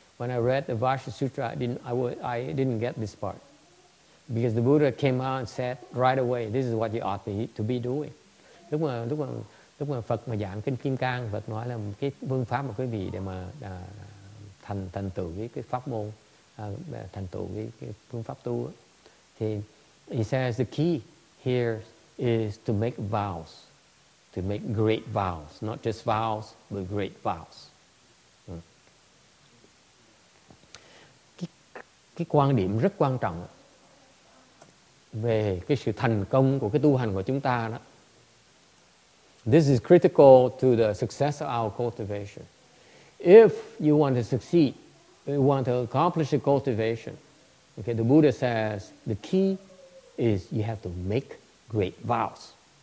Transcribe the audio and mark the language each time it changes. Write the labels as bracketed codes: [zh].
[en] When I read the Vajra Sutra, I didn't get this part because the Buddha came out and said right away, this is what you ought to be doing. [vi] Lúc mà Phật mà giảng kinh Kim Cang, Phật nói là cái phương pháp mà quý vị để mà thành tựu cái pháp môn, thành tựu cái phương pháp tu đó. Thì [en] he says the key here is to make vows, to make great vows, not just vows, but great vows. [vi] Cái quan điểm rất quan trọng về cái sự thành công của cái tu hành của chúng ta đó. [en] This is critical to the success of our cultivation. If you want to succeed, you want to accomplish a cultivation, okay, the Buddha says the key is you have to make great vows.